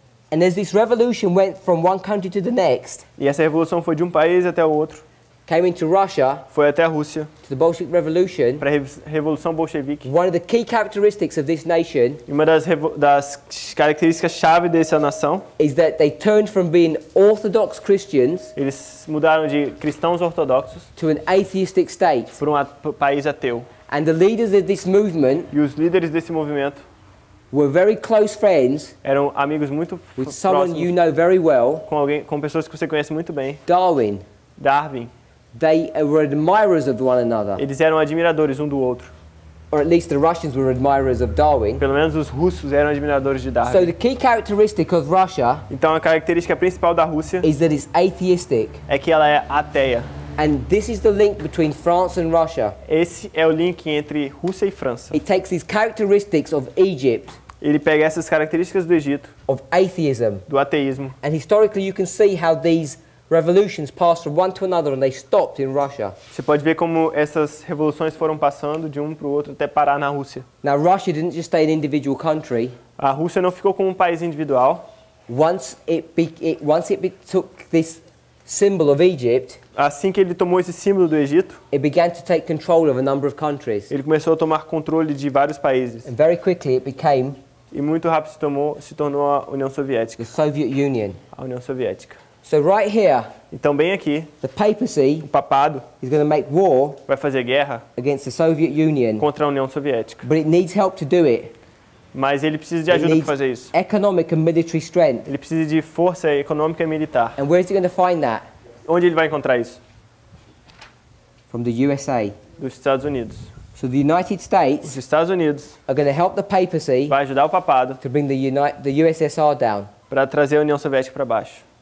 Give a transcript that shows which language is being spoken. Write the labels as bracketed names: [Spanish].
[English] And as this revolution went from one country to the next. [Portuguese] E essa revolução foi de um país até o outro. [English] Came into Russia, [Portuguese] foi até a Rússia, [English] to the Bolshevik Revolution, [Portuguese] para a Revolução Bolchevique. [English] One of the key characteristics of this nation, [Portuguese] uma das características chave dessa nação, [English] is that they turned from being orthodox Christians, [Portuguese] eles mudaram de cristãos ortodoxos, [English] to an atheistic state, [Portuguese] para um país ateu. [English] And the leaders of this movement, [Portuguese] e os líderes desse movimento, [English] were very close friends, [Portuguese] eram amigos muito [English] with [Portuguese] próximos, [English] someone you know very well, [Portuguese] com alguém, com pessoas que você conhece muito bem, [English] Darwin. [Portuguese] Darwin. [English] They were admirers of one another. [Portuguese] Eles eram admiradores um do outro. [English] Or at least the Russians were admirers of Darwin. [Portuguese] Pelo menos os russos eram admiradores de Darwin. [English] So the key characteristic of Russia, [Portuguese] então a característica principal da Rússia, [English] is that it's atheistic. [Portuguese] É que ela é ateia. [English] And this is the link between France and Russia. [Portuguese] Esse é o link entre Rússia e França. [English] It takes these characteristics of Egypt. [Portuguese] Ele pega essas características do Egito. [English] Of atheism. [Portuguese] Do ateísmo. [English] And historically you can see how these revolutions passed from one to another and they stopped in Russia. [Portuguese] Você pode ver como essas revoluções foram passando de um para o outro até parar na Rússia. [English] Now Russia didn't just stay an individual country. [Portuguese] A Rússia não ficou como um país individual. [English] Once it took this symbol of Egypt. [Portuguese] Assim que ele tomou esse símbolo do Egito, [English] it began to take control of a number of countries. [Portuguese] Ele começou a tomar controle de vários países. [English] And very quickly it became. [Portuguese] E muito rápido se tornou a União Soviética. [English] The Soviet Union. [Portuguese] A União Soviética. [English] So right here. [Portuguese] Então bem aqui. [English] The papacy. [Portuguese] O papado. [English] Is going to make war. [Portuguese] Vai fazer guerra. [English] Against the Soviet Union. [Portuguese] Contra a União Soviética. [English] But it needs help to do it. [Portuguese] Mas ele precisa de ajuda para fazer isso. [English] Economic and military strength. [Portuguese] Ele precisa de força econômica e militar. [English] And where is he going to find that? [Portuguese] Onde ele vai encontrar isso? [English] From the USA. [Portuguese] Dos Estados Unidos. [English] So the United States. [Portuguese] Os Estados Unidos. [English] Are going to help the papacy. [Portuguese] Vai ajudar o papado. [English] To bring the USSR down. [Portuguese] Para trazer a União Soviética para baixo.